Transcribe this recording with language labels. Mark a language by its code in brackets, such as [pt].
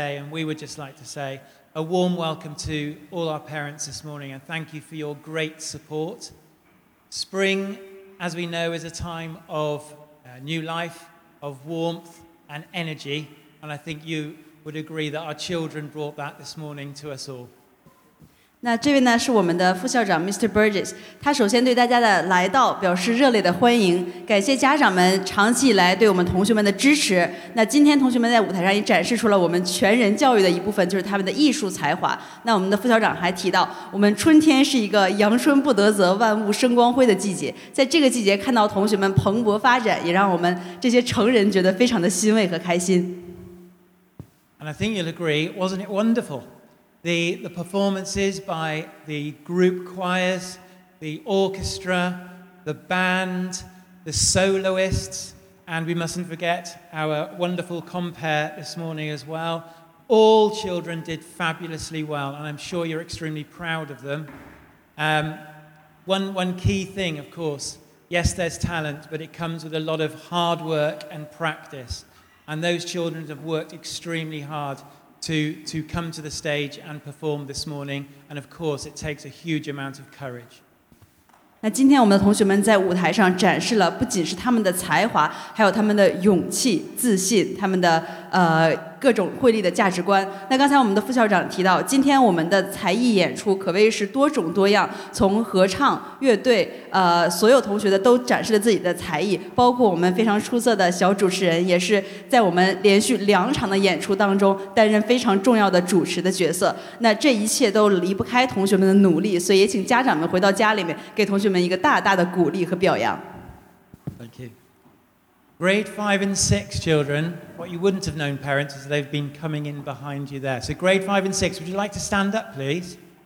[en] We would just like to say a warm welcome to all our parents this morning, and thank you for your great support. Spring, as we know, is a time of new life, of warmth and energy, and I think you would agree that our children brought that this morning to us all. [zh] 那这位呢是我们的副校长 Mr. Burgess， 他首先对大家的来到表示热烈的欢迎，感谢家长们长期以来对我们同学们的支持。那今天同学们在舞台上也展示出了我们全人教育的一部分，就是他们的艺术才华。那我们的副校长还提到，我们春天是一个阳春不得泽，万物生光辉的季节，在这个季节看到同学们蓬勃发展，也让我们这些成人觉得非常的欣慰和开心。 [en] And I think you'll agree, wasn't it wonderful? The performances by the group choirs, the orchestra, the band, the soloists, and we mustn't forget our wonderful compere this morning as well. All children did fabulously well, and I'm sure you're extremely proud of them. One key thing, of course, yes, there's talent, but it comes with a lot of hard work and practice. And those children have worked extremely hard to come to the stage and perform this morning. And of course, it takes a huge amount of courage. [zh] 那今天我们的同学们在舞台上展示了不仅是他们的才华，还有他们的勇气、自信，他们的各种慧丽的价值观。那刚才我们的副校长提到，今天我们的才艺演出可谓是多种多样，从合唱、乐队，所有同学的都展示了自己的才艺，包括我们非常出色的小主持人，也是在我们连续两场的演出当中担任非常重要的主持的角色。那这一切都离不开同学们的努力，所以也请家长们回到家里面给同学们一个大大的鼓励和表扬。 [en] Thank you. Grade 5 and 6 children, what you wouldn't have known, parents, is they've been coming in behind you there. So grade 5 and 6, would you like to stand up, please?